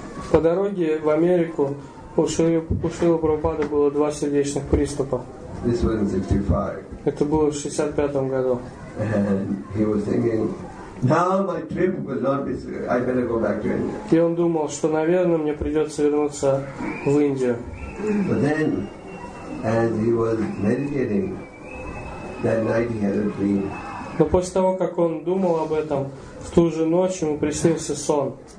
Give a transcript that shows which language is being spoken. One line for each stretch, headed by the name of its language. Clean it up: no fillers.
Russian: По дороге в Америку у Шрилы Прабхупады было два сердечных приступа.
English: This was in 65.
Russian: Это было в 65 году.
English: And he was thinking, now my trip will not be. I better go back to India.
Russian: И он думал, что, наверное, мне придется вернуться в Индию.
English: But then, as he was meditating, that night he had a dream.
Russian: Но после того, как он думал об этом, в ту же ночь ему приснился сон.